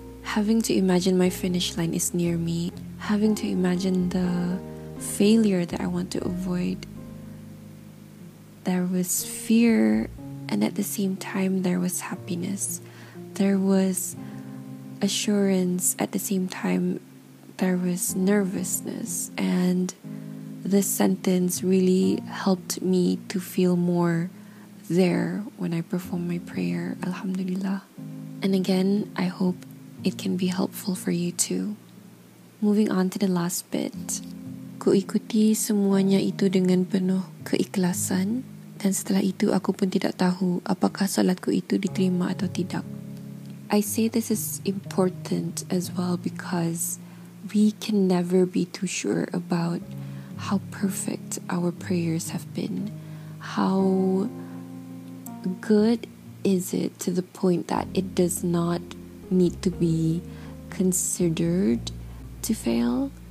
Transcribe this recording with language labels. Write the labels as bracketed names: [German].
[English] Having to imagine my finish line is near me, having to imagine the failure that I want to avoid, there was fear, and at the same time there was happiness, there was assurance, at the same time there was nervousness. And this sentence really helped me to feel more there when I perform my prayer, alhamdulillah. And again, I hope it can be helpful for you too. Moving on to the last bit. [Indonesian] Kuikuti semuanya itu dengan penuh keikhlasan, dan setelah itu aku pun tidak tahu apakah solatku itu diterima atau tidak. [English] I say this is important as well, because we can never be too sure about how perfect our prayers have been. How good is it to the point that it does not need to be considered to fail?